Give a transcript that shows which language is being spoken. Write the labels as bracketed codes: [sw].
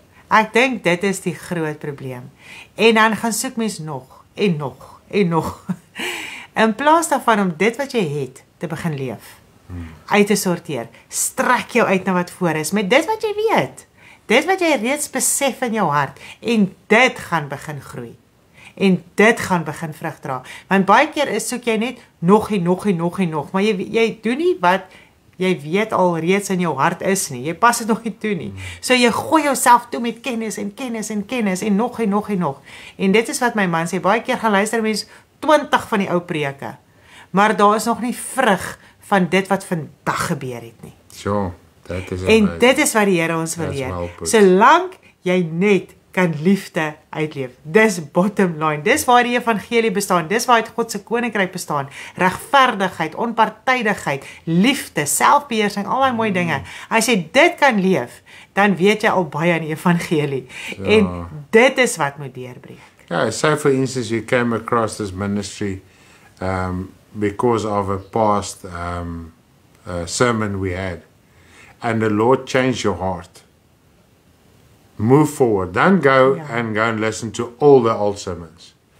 [af] Ek dink dit is die groot probleem. En dan gaan soek mens nog en nog en nog. In plaas daarvan om dit wat jy het te begin leef. Uit te sorteer. Strek jou uit na wat voor is met dit wat jy weet. Dit wat jy reeds besef in jou hart. En dit gaan begin groei. En dit gaan begin vrug dra. Want baie keer is soek jy net nog en nog en nog en nog. Maar jy doen nie wat jy weet al reeds in jou hart is nie. Jy pas dit nog nie toe nie. So jy gooi jouself toe met kennis en kennis en kennis en nog en nog en nog. En dit is wat my man sê, baie keer gaan luister mens 20 van die ou preke. Maar daar is nog nie vrug van dit wat vandag gebeur het nie. So, dat is en amazing. Dit is wat die Here ons wil leer. Solank jy net kan liefde uitleef. Dis bottom line. Dis waar die evangelie bestaan. Dis waar het God se koninkryk bestaan. Regverdigheid, onpartydigheid, liefde, selfbeheersing, al die mooi dinge. As jy dit kan leef, dan weet jy al baie aan die evangelie. Ja. En dit is wat moet deurbreek. [en] Ja, say for instance you came across this ministry because of a past sermon we had. And the Lord changed your heart. Move forward. Don't go and go and listen to all the old sermons.